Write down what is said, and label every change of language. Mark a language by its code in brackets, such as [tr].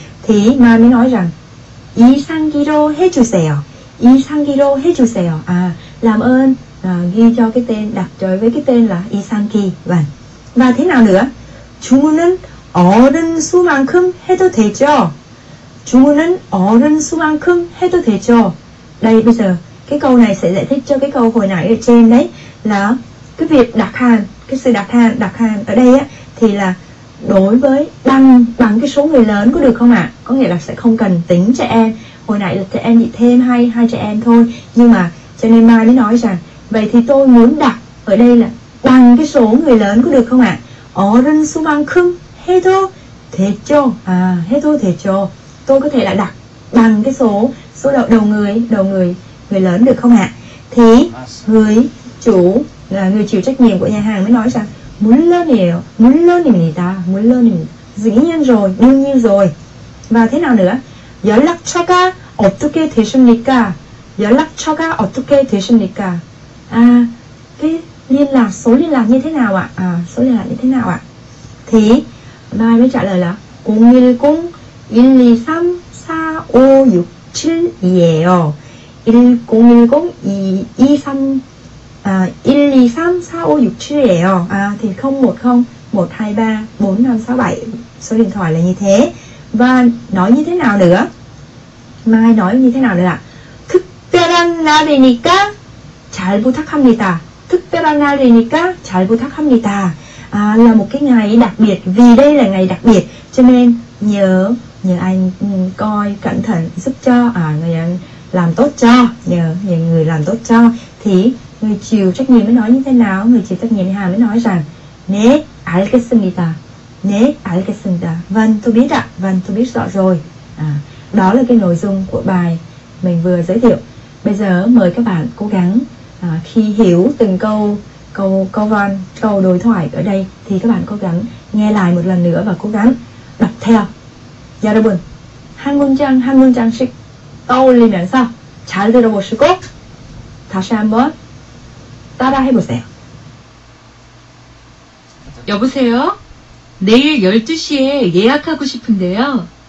[vi] Thì Mai mới nói rằng [ko] 이상기로 해주세요. 이상기로 해주세요. [vi] Làm ơn ghi cho cái tên, đặt cho với cái tên là 이상기. Vâng. Và thế nào nữa? [ko] 주문은 어른 수만큼 해도 되죠? 주문은 어른 수만큼 해도 되죠? [vi] Đây bây giờ cái câu này sẽ giải thích cho cái câu hồi nãy ở trên đấy, là cái việc đặt hàng, cái sự đặt hàng ở đây á, thì là đối với bằng cái số người lớn có được không ạ? Có nghĩa là sẽ không cần tính trẻ em. Hồi nãy là trẻ em chỉ thêm hai trẻ em thôi, nhưng mà cho nên Mai mới nói rằng vậy thì tôi muốn đặt ở đây là bằng cái số người lớn có được không ạ? [ko] 어른 수만큼 해도 되죠. 해도 되죠. [vi] Tôi có thể là đặt bằng cái số đầu người lớn được không ạ? Thì người chủ, là người chịu trách nhiệm của nhà hàng mới nói rằng [ko] 물론이에요. 물론입니다. 물론입니다. [vi] Dĩ nhiên rồi, đương nhiên rồi. Và thế nào nữa? [ko] 연락처가 어떻게 되십니까? 연락처가 어떻게 되십니까? [vi] Cái liên lạc, số liên lạc như thế nào ạ? Số liên lạc như thế nào ạ? Thì Mai mới trả lời là [ko] 010-1234567이에요. 010-223 123-4567이에요. 010-123-4567이에요. [vi] số điện thoại là như thế. Và nói như thế nào nữa? Mai nói như thế nào nữa ạ? [ko] 특별한 날이니까 잘 부탁합니다. 특별한 날이니까 잘 부탁합니다. [vi] Là một cái ngày đặc biệt, vì đây là ngày đặc biệt cho nên nhờ anh coi cẩn thận giúp cho, người anh làm tốt cho, nhờ người làm tốt cho. Thì người chịu trách nhiệm mới nói như thế nào? Người chịu trách nhiệm hàng mới nói rằng [ko] 네, 알겠습니다. 네, 알겠습니다. [vi] Vâng, tôi biết ạ. Vâng, tôi biết rõ rồi. Đó là cái nội dung của bài mình vừa giới thiệu. Bây giờ mời các bạn cố gắng khi hiểu từng câu đối thoại ở đây thì các bạn cố gắng nghe lại một lần nữa và cố gắng đọc theo. [ko] 여러분, 한 문장 한 문장씩 떠올리면서 잘 들어보시고 다시 한번 따라해보세요. 여보세요? 내일 12시에 예약하고 싶은데요.